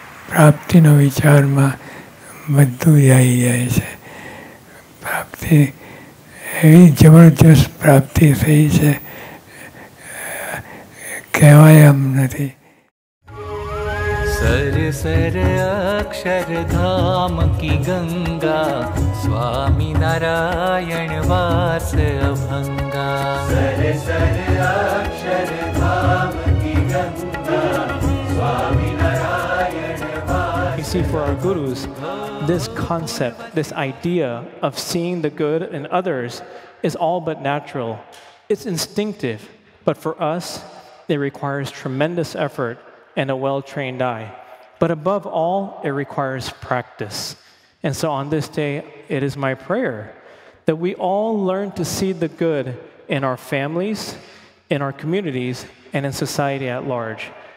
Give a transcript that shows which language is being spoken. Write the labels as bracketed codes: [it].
[gu] પ્રાપ્તિનો વિચારમાં બધું આવી જાય છે. પ્રાપ્તિ એવી જબરજસ્ત પ્રાપ્તિ થઈ છે, કહેવાય એમ નથી. सर सर अक्षरधाम की गंगा स्वामी नारायण वास अभंगा सर सर अक्षरधाम की गंगा स्वामी नारायण [en] वास See, for our gurus, this concept, this idea of seeing the good in others is all but natural. It's instinctive, but for us, it requires tremendous effort and a well-trained eye. But above all, it requires practice. And so on this day, it is my prayer that we all learn to see the good in our families, in our communities, and in society at large.